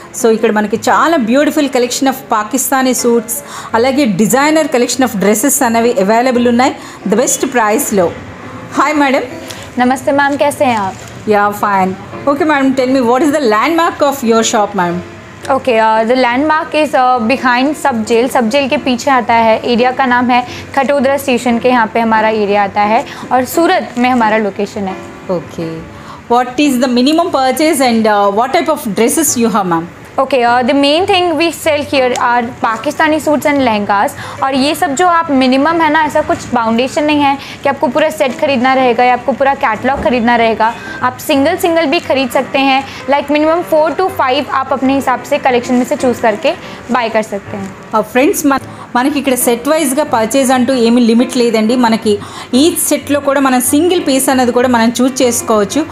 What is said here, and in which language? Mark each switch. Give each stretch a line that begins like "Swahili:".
Telugu: So ఇక్కడ మనకి చాలా beautiful collection of Pakistani suits, అలాగే డిజైనర్ కలెక్షన్ ఆఫ్ డ్రెస్సెస్ అనేవి అవైలబుల్ ఉన్నాయి ద బెస్ట్ ప్రైస్లో. Hi madam.
Hindi: నమస్తే మ్యామ్, కేసే ఆ?
English: Ya fine. Okay madam, tell me what is the landmark of your shop ma'am? Okay, the landmark is behind
Hindi: सब jail के पीछे आता है. एरिया का नाम है खटोदरा स्टेशन के यहाँ पे हमारा एरिया आता है और सूरत में हमारा लोकेशन है.
English: Okay, what is the minimum purchase and what type of dresses you have ma'am? Okay, the main thing we sell here are Pakistani suits and lehengas.
Hindi: और ये सब जो आप मिनिमम है ना, ऐसा कुछ बाउंडेशन नहीं है कि आपको पूरा सेट खरीदना रहेगा या आपको पूरा कैटलॉग खरीदना रहेगा. आप सिंगल सिंगल भी खरीद सकते हैं.
English: like minimum 4 to 5
Hindi: आप अपने हिसाब से कलेक्शन में से चूज करके बाय कर सकते हैं.
English: friends,
Telugu: మనకి ఇక్కడ సెట్ వైజ్గా పర్చేజ్ అంటూ ఏమీ లిమిట్ లేదండి. మనకి ఈ సెట్లో కూడా మనం సింగిల్ పీస్ అనేది కూడా మనం చూస్ చేసుకోవచ్చు.